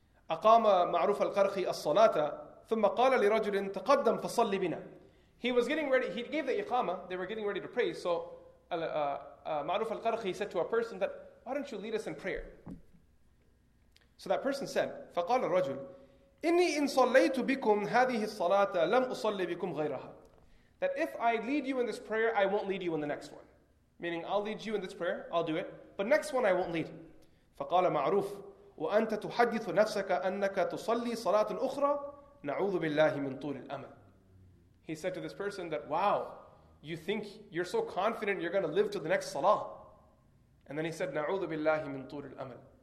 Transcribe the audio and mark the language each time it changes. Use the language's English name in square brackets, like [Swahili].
[Arabic] أقام معروف القرخي الصلاة ثم قال لرجل تقدم فصلي بنا. [English] He was getting ready. He gave the iqama. They were getting ready to pray. So معروف القرخي said to a person that, why don't you lead us in prayer? So that person said, [Arabic] فقال الرجل إني إن صليت بكم هذه الصلاة لم أصلي بكم غيرها. [English] That if I lead you in this prayer, I won't lead you in the next one. Meaning I'll lead you in this prayer, I'll do it, but next one I won't lead. [Arabic] فقال معروف وأنت تحدث نفسك أنك تصلي صلاة أخرى نعوذ بالله من طول الأمل. [English] He said to this person that, wow, you think you're so confident you're going to live to the next salah. And then he said, [Arabic] نعوذ بالله من طول الأمل.